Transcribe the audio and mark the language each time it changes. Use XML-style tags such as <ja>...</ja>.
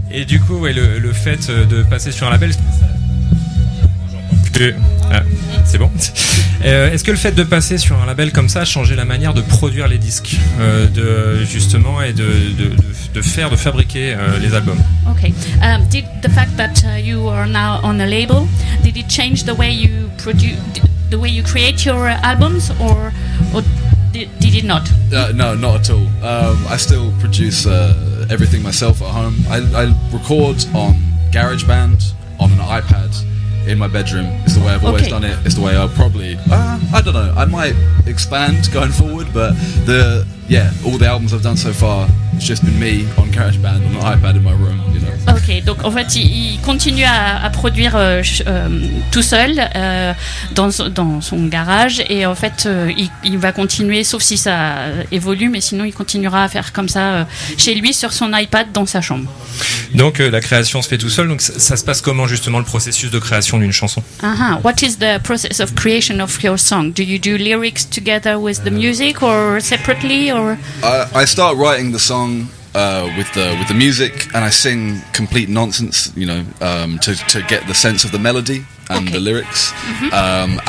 <fr>Et du coup, ouais, le fait de passer sur un label. C'est bon. Est-ce que le fait de passer sur un label comme ça a changé la manière de produire les disques, de justement et de fabriquer les albums?</fr> <en>Okay. Did the fact that you are now on a label, did it change the way you produce, the way you create your albums, or did it not? No, not at all. I still produce everything myself at home. I record on GarageBand on an iPad. In my bedroom, it's the way I've always okay. done it. It's the way I'll probably, I don't know, I might expand going forward, but the, yeah, all the albums I've done so far, it's just been me on GarageBand on an iPad in my room, you know.</en> <fr>Ok, donc en fait, il continue à produire tout seul dans son garage et en fait, il va continuer, sauf si ça évolue, mais sinon, il continuera à faire comme ça chez lui sur son iPad dans sa chambre. Donc la création se fait tout seul. Donc ça se passe comment justement le processus de création d'une chanson?</fr> <en>What is the process of creation of your song? Do you do lyrics together with the music or separately or? I start writing the song. With the music, and I sing complete nonsense, you know, to get the sense of the melody and okay. the lyrics, mm-hmm.</en>